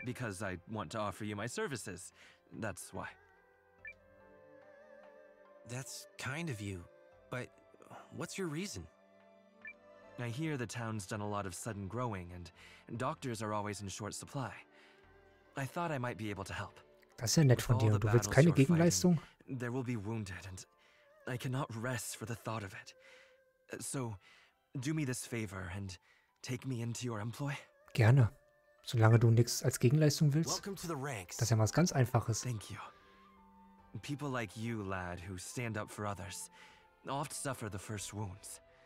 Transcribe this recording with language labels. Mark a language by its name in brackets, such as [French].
[English] Because I want to offer you my services. That's why. That's kind of you, but what's your reason? I hear the town's done a lot of sudden growing, and doctors are always in short supply. I thought I might be able to help. [German] Das ist ja nett von dir, und du willst keine Gegenleistung? [English] There will be wounded, and I cannot rest for the thought of it. So, do me this favor and take me into your employ. [German] Gerne. Solange du nichts als Gegenleistung willst. Das ist ja mal was ganz Einfaches. [English] Thank you. People like you, lad, who stand up for others, oft suffer the first wounds.